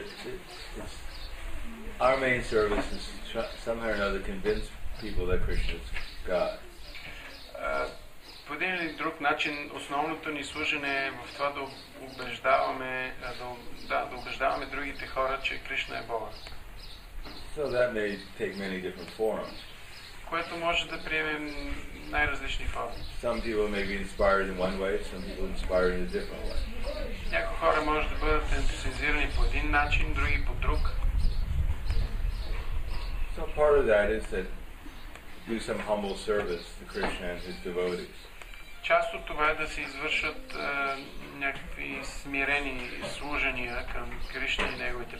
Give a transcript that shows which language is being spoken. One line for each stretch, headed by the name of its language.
English: It's our main service is somehow or another convince people that Krishna is God.
Bulgarian: По един или друг начин, основното ни служене е в това да убеждаваме, да убеждаваме другите хора, че Кришна е Бога.
English: So that may take many different forms.
Bulgarian: Което може да приеме най-различни форми.
English: Some people may be inspired in one way, some people inspired in a different way.
Bulgarian: Някои хора може да бъдат ентусиазирани по един начин, други по друг.
English: So part of that is that do some humble service to Krishna and his devotees.
Bulgarian: Част от това е да се извършат някакви смирени служения към Кришна и неговите